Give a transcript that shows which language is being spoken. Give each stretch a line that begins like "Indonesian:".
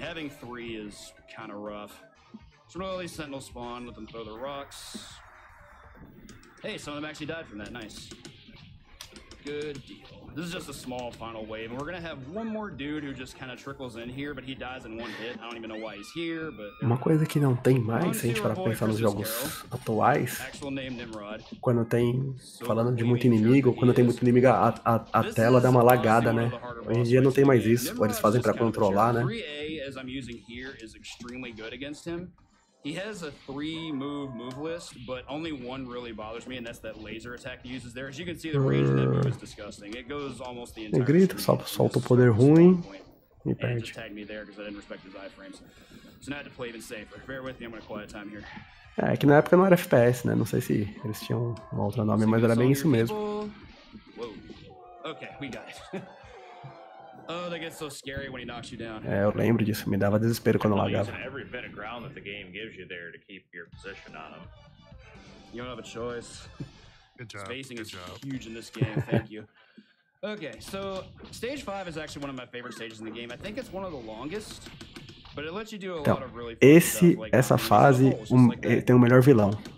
English: Having 3 is kind of rough. Slowly Sentinel spawn, let them throw the rocks. Hey, some of them actually died from that, nice. Good deal. This is just a small final wave, and we're gonna have one more dude who just kind of trickles in here, but he dies in one hit. I don't even know why he's here, but...
Portuguese: Uma coisa que não tem mais, se a gente parar pra pensar nos jogos atuais, quando tem, falando de muito inimigo, quando tem muito inimigo, a tela dá uma lagada, né? Hoje em dia não tem mais isso, eles fazem pra controlar, né?
English: 3A, as I'm using here, is extremely good against him. He has a 3-move list, but only one really bothers me, and that's that laser attack he uses there. As you can see, the range of that move is disgusting. It goes almost the entire...
Portuguese: Ele grita, solta o poder ruim e perde.
English: And just tagged me there because I didn't respect his iframes. So now I had to play even safer. Bear with me, I'm going to quiet time here.
Portuguese: É que na época não era FPS, né? Não sei se eles tinham um outro nome, mas era bem isso mesmo.
English: Whoa. Okay, we got it. Oh, that gets so scary when he knocks you down.
Portuguese: É, eu lembro disso, me dava desespero quando lagava.
English: Every bit of ground that the game gives you there to keep your position on him. You don't have a choice. Good job. Spacing good is job. Huge in this game, thank you. Okay, so stage 5 is actually one of my favorite stages in the game. I think it's one of the longest. But it lets you do a lot of really fun stuff, like
Portuguese: essa fase, tem o melhor vilão.